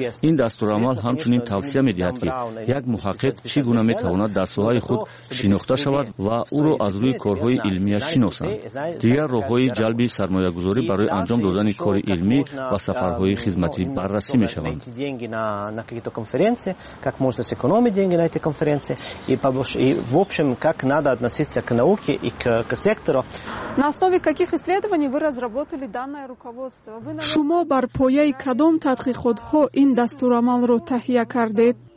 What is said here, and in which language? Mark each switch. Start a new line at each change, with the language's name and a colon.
Tajik: Ин дастурамал ҳамчунин тавсия медиҳад, ки як муҳаққиқ чӣ гуна метавонад дар соҳаи худ шинохта шавад ва ӯро аз рӯи корҳои илмияш шиносанд. Дигар роҳҳои ҷалби сармоягузорӣ барои анҷом додани кори илмӣ ва сафарҳои хизматӣ бараси мешаванд.
Russian: На какие-то конференции, как можно сэкономить деньги на эти конференции и в общем, как надо относиться к науке и к сектору. На основе каких исследований вы разработали данное руководство? Вы на
Tajik: Шумо бар пояи кадом тадқиқотҳо ин дастурамалро таҳия кардед?